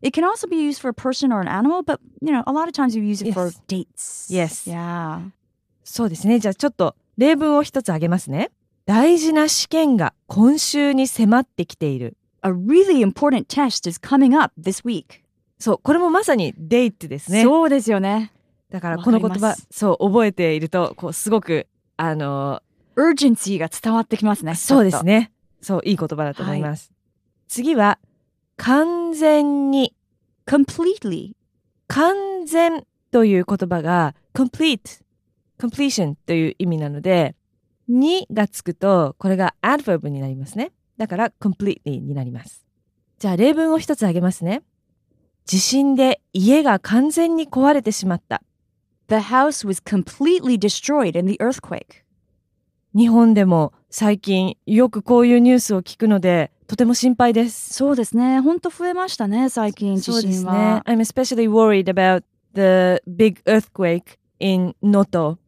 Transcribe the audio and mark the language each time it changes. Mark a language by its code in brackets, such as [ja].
[en] it can also be used for a person or an animal, but you know, a lot of times we use it for dates. Yes. Yeah. [ja] そうですね。じゃあちょっと例文を一つ挙げますね。大事な試験が今週に迫ってきている。 [en] A really important test is coming up this week. [ja] そう、これもまさにデイトですね。そうですよね。だからこの言葉、そう、覚えていると、こう、すごく、 urgency が伝わってきますね。そうですね。そう、いい言葉だと思います。はい、次は、完全に。 [en] completely。 [ja] 完全という言葉が、complete、completion という意味なので、にがつくと、これが adverb になりますね。だから completely になります。じゃあ例文を一つ挙げますね。地震で家が完全に壊れてしまった。 [en] The house was completely destroyed in the earthquake. [ja] 日本でも最近よくこういうニュースを聞くのでとても心配です。そうですね。本当増えましたね、最近地震は。そうですね。 [en] I'm especially worried about the big earthquake in Noto.